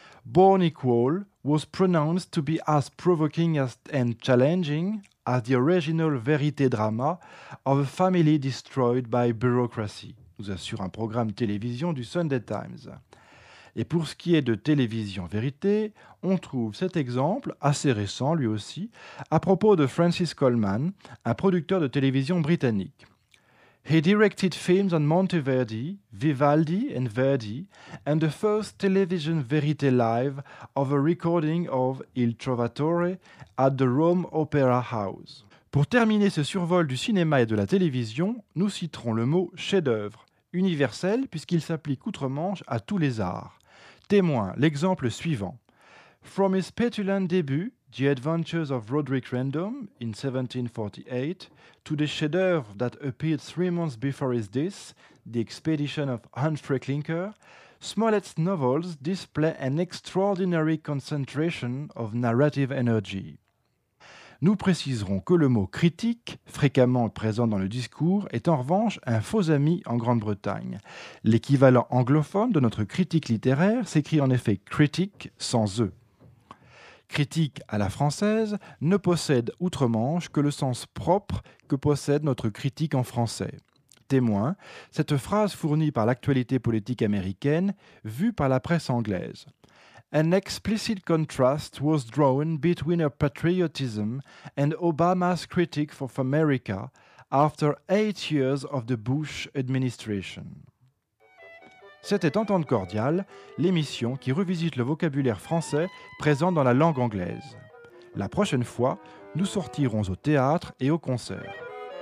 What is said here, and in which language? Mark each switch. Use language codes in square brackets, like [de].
[en] Born Equal was pronounced to be as provoking as and challenging as the original vérité drama of a family destroyed by bureaucracy, [fr] nous assure un programme télévision du Sunday Times. Et pour ce qui est de télévision vérité, on trouve cet exemple, assez récent lui aussi, à propos de Francis Coleman, un producteur de télévision britannique. [en] He directed films on Monteverdi, Vivaldi and Verdi, and the first television vérité live of a recording of Il Trovatore at the Rome Opera House. [fr] Pour terminer ce survol du cinéma et de la télévision, nous citerons le mot chef-d'œuvre, universel puisqu'il s'applique outre-Manche à tous les arts. Témoin, l'exemple suivant. [en] From his petulant début, The Adventures of Roderick Random in 1748, to the chef-d'œuvre that appeared 3 months before his death, The Expedition of Humphrey Clinker, Smollett's novels display an extraordinary concentration of narrative energy. [fr] Nous préciserons que le mot critique, fréquemment présent dans le discours, est en revanche un faux ami en Grande-Bretagne. L'équivalent anglophone de notre critique littéraire s'écrit en effet critic sans e. Critique à la française ne possède outre-Manche que le sens propre que possède notre critique en français. Témoin, cette phrase fournie par l'actualité politique américaine, vue par la presse anglaise. [en] An explicit contrast was drawn between her patriotism and Obama's critic of America after 8 years of the Bush administration. [fr] C'était Entente Cordiale, l'émission qui revisite le vocabulaire français présent dans la langue anglaise. La prochaine fois, nous sortirons au théâtre et au concert.